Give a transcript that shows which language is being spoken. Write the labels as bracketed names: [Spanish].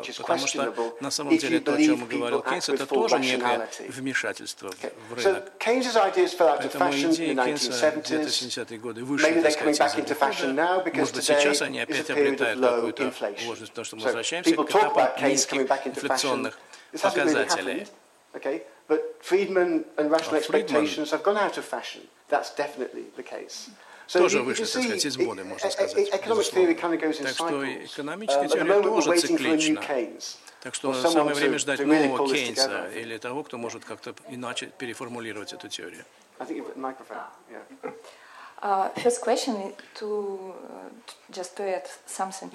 [Russian] Потому что на самом деле то, о чем говорил Кейнс, это тоже некое вмешательство в рынок. Поэтому идеи Кейнса в 70-е годы вышли, так сказать, из этого. Может быть, сейчас они опять обретают какую-то ложность, потому что мы возвращаемся к этапам низких инфляционных показателей. [English] But Friedman and rational expectations have gone out of fashion. That's definitely the case. [Russian] So тоже вышло, так сказать, из моды, можно сказать. Так что экономическая теория тоже циклична. Так что самое время ждать нового Кейнса или того, кто может как-то иначе переформулировать эту теорию. [English] First question to just to add something.